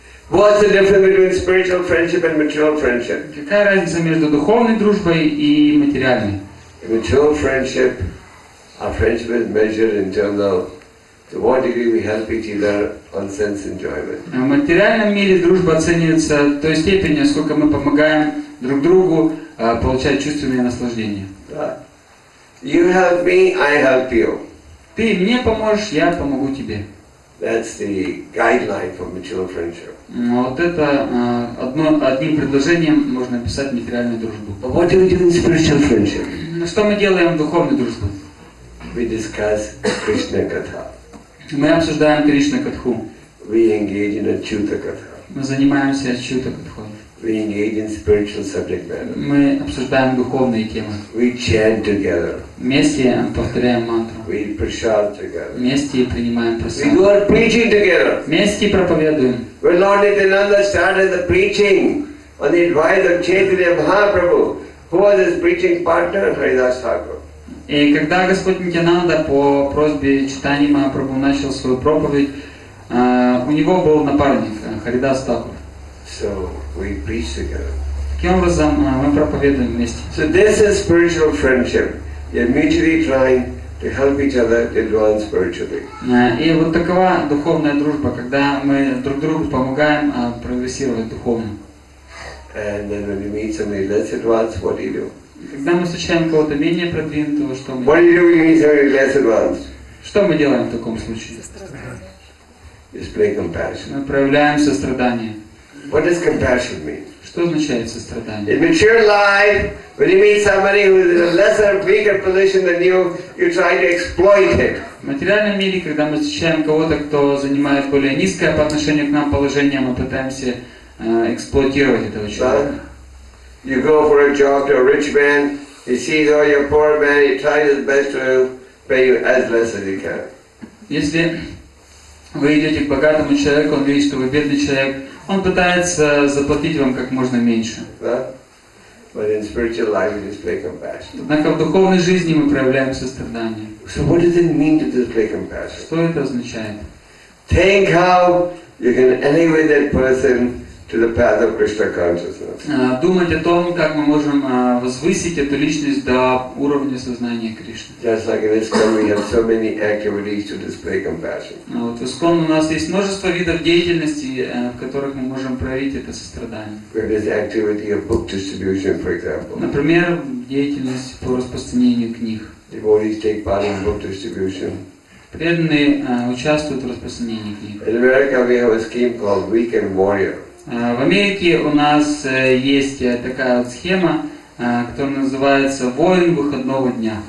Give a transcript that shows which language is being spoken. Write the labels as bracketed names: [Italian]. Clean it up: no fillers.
[English] What's the difference between spiritual friendship and material friendship? [Russian] Какая разница между духовной дружбой и материальной? [English] In material friendship, our friendship is measured in terms of to what degree we help each other on sense enjoyment. [Russian] В материальном мире дружба оценивается той степенью, сколько мы помогаем друг другу получать чувственное наслаждение. [English] Да. You help me, I help you. [Russian] Ты мне поможешь, я помогу тебе. [English] That's the guideline for material friendship. [Russian] Вот это одним предложением можно описать материальную дружбу. [English] But what do we do in spiritual friendship? [Russian] Что мы делаем в духовной дружбе? [English] We discuss Krishna Katha. [Russian] Мы обсуждаем Кришна Катху. [English] We engage in Achyuta Katha. [Russian] Мы занимаемся Ачюта Катхой. [English] We engage in spiritual subject matter. [Russian] Мы обсуждаем духовные темы. [English] We chant together. [Russian] Вместе повторяем мантру. [English] We prasad together. [Russian] Вместе принимаем прасад. [English] We do our preaching together. [Russian] Вместе проповедуем. [English] When Lord Nityananda started the preaching on the advice of Chaitanya Mahaprabhu, who was his preaching partner? Haridas Thakur. [Russian] И когда Господь Нитянанда по просьбе Чайтаньи Махапрабху начал свою проповедь, у него был напарник Харидас Тхакур. [English] So we preach together. [Russian] Таким образом, мы проповедуем вместе. [English] So this is spiritual friendship. You're mutually trying to help each other advance spiritually. [Russian] И вот такова духовная дружба, когда мы друг другу помогаем прогрессировать духовно. [English] And then when you meet somebody less advanced, what do you do? [Russian] Когда мы встречаем кого-то менее продвинутого, что мы? [English] What do you do when you meet somebody less advanced? [Russian] Что мы делаем в таком случае? [English] Display compassion. [Russian] Мы проявляем сострадание. [English] What does compassion mean? [Russian] Что означает сострадание? [English] In mature life, when you meet somebody who is in a lesser, weaker position than you, you try to exploit it. [Russian] В материальном мире, когда мы встречаем кого-то, кто занимает более низкое по отношению к нам положение, мы пытаемся эксплуатировать этого человека. [English] You go for a job to a rich man, he sees all your poor man, he tries his best to pay you as less as he can. [Russian] Если вы идете к богатому человеку, он видит, что вы бедный человек, он пытается заплатить вам как можно меньше. [English] But in spiritual life we display compassion. [Russian] Однако в духовной жизни мы проявляем сострадание. [English] So what does it mean to display compassion? [Russian] Что это означает? [English] Think how you can elevate that person to the path of Krishna consciousness. [Russian] Думать о том, как мы можем возвысить эту личность до уровня сознания Кришны. [English] Just like in ISKCON, we have so many activities to display compassion. [Russian] Вот в ISKCON у нас есть множество видов деятельности, в которых мы можем проявить это сострадание. [English] There is activity of book distribution, for example. [Russian] Например, деятельность по распространению книг. [English] Devotees take part in book distribution. [Russian] Преданные участвуют в распространении книг. [English] In America we have a scheme called Weekend Warrior. [Russian] В Америке у нас есть такая вот схема, которая называется «Воин выходного дня».